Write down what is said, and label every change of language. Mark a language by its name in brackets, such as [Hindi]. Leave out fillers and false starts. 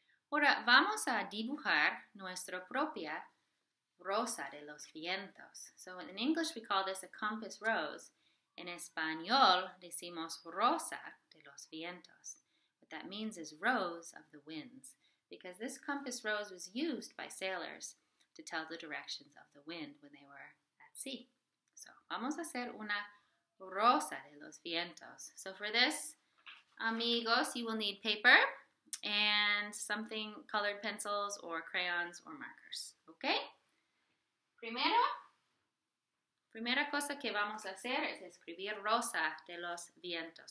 [Spanish] Ahora vamos a dibujar nuestra propia rosa de los vientos. [English] So in English we call this a compass rose. [Spanish] En español decimos rosa de los vientos. [English] What that means is rose of the winds, because this compass rose was used by sailors to tell the directions of the wind when they were at sea. [Spanish] So vamos a hacer una rosa de los vientos. [English] So for this, amigos, you will need paper and something, colored pencils or crayons or markers, okay? [Spanish] Primera cosa que vamos a hacer es escribir rosa de los vientos.